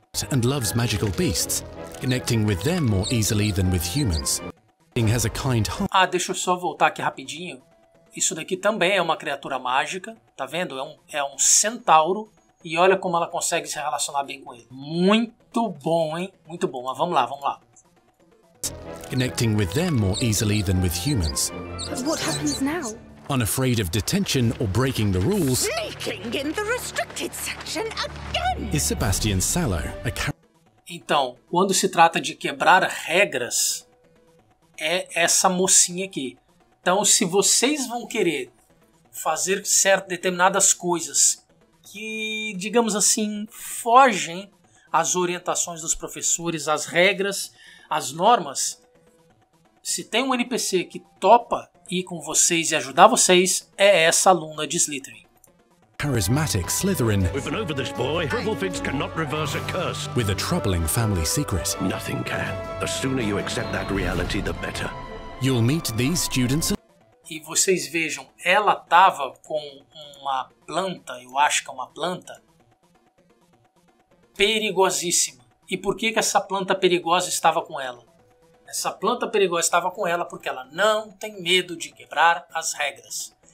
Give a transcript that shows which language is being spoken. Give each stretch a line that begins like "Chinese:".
English: And loves magical beasts, connecting with them more easily than with humans. Has a kind heart.
Portuguese: Ah, deixa eu só voltar aqui rapidinho. Isso daqui também é uma criatura mágica, tá vendo? É um centauro. E olha como ela consegue se relacionar bem com ele. Muito bom, hein? Muito bom. Mas vamos lá, vamos lá.
English: Connecting with them more easily than with humans. What happens now? Unafraid of detention or breaking the rules. Sneaking in the restricted section again. Is Sebastian Salar a
Portuguese: Então, quando se trata de quebrar regras, é essa mocinha aqui. Então, se vocês vão querer fazer certas determinadas coisas que, digamos assim, fogem às orientações dos professores, às regras, às normas, se tem um NPC que topa ir com vocês e ajudar vocês, é essa aluna de Slytherin.
English: Charismatic Slytherin. We've been over this boy. Hufflepuffs cannot reverse a curse. With a troubling family secret. Nothing can. The sooner you accept that reality, the better. You'll meet these students.
Portuguese: E vocês vejam, ela tava com uma planta, eu acho que é uma planta, perigosíssima. E por que que essa planta perigosa estava com ela? Essa planta perigosa estava com ela porque ela não tem medo de quebrar as regras.